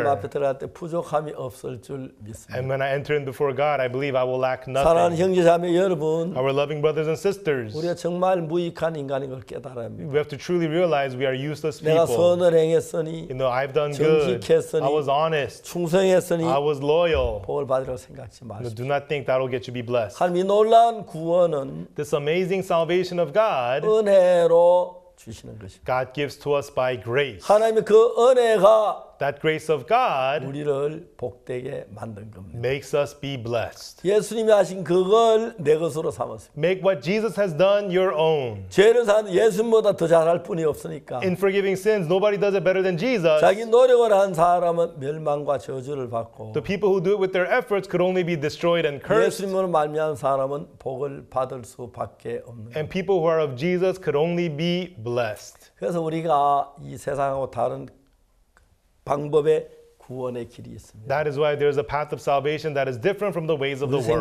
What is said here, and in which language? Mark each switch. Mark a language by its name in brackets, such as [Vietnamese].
[Korean] 하나님 앞에 들어갈 때 부족함이 없을 줄 믿습니다. [English] And when I enter in before God, I believe I will lack nothing. [Korean] 사랑하는 형제 자매 여러분 [English] Our loving brothers and sisters, [Korean] 우리가 정말 무익한 인간인 걸 깨달아야 합니다. [English] We have to truly realize we are useless people. [Korean] 내가 선을 행했으니 [English] You know, I've done good. I was honest. [Korean] 충성했으니, [English] I was loyal. [Korean] 복을 받으라고 생각지 마십시오. [English] Do not think that'll get you be blessed. [Korean] 하나님 이 놀라운 구원은 [English] This amazing salvation of God [Korean] 은혜로 주시는 것입니다. [English] God gives to us by grace. [Korean] 하나님의 그 은혜가 [English] That grace of God [Korean] 우리를 복되게 만든 겁니다. [English] Makes us be blessed. [Korean] 예수님이 하신 그걸 내 것으로 삼았습니다. [English] Make what Jesus has done your own. [Korean] 죄를 산 예수보다 더 잘할 뿐이 없으니까. [English] In forgiving sins, nobody does it better than Jesus. [Korean] 자기 노력을 한 사람은 멸망과 저주를 받고. [English] The people who do it with their efforts could only be destroyed and cursed. [Korean] 예수님으로 말미암은 사람은 복을 받을 수밖에 없는. [English] And people who are of Jesus could only be blessed. [Korean] 그래서 우리가 이 세상하고 다른 방법의 구원의 길이 있습니다. [English] That is why there is a path of salvation that is different from the ways of the world.